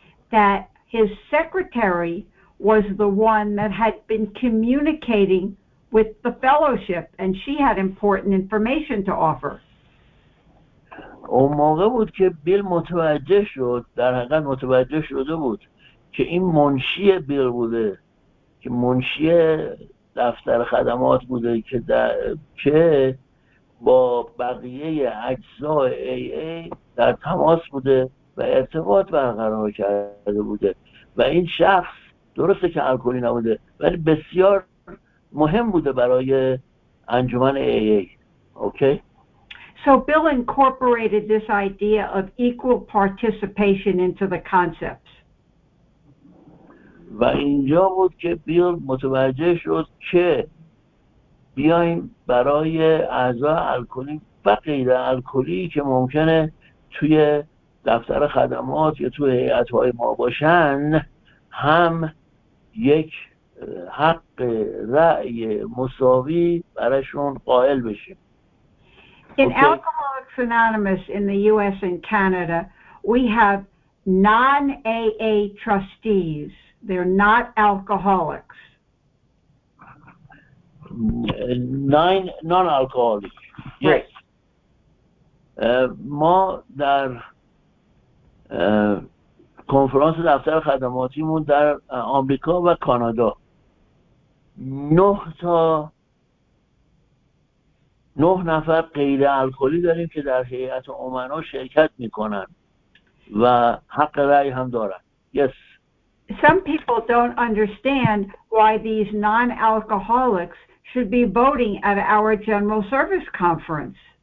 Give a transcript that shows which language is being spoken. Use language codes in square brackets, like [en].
[en] that his secretary was the one that had been communicating with the fellowship, and she had important information to offer. [fa] اون موقع بود که بیل متوجه شد، در حقیقت متوجه شده بود که این منشی بیل بوده، که منشی دفتر خدمات بوده، که با بقیه اجزای ای ای در تماس بوده و ارتباط برقرار کرده بوده، و این شخص درسته که الکلی نبوده ولی بسیار مهم بوده برای انجمن ای ای. اوکی؟ [en] So Bill incorporated this idea of equal participation into the concepts. [fa] و اینجا بود که بیل متوجه شد که بیایم برای اعضا الکلی و غیر الکلی که ممکنه توی دفتر خدمات یا توی هیئت‌های ما باشن هم یک حق رأی مساوی برشون قائل بشیم. [en] In Alcoholics Anonymous in the U.S. and Canada, we have non-AA trustees. They're not alcoholics. Non-alcoholic. Yes. [fa] ما در کنفرانس دفتر خدماتیمون در آمریکا و کانادا 9 نفر غیر الکلی داریم که در هیئت امنا شرکت میکنن و حق رأی هم دارن. [en] Yes. Some people don't understand why these non-alcoholics should be voting at our general service conference.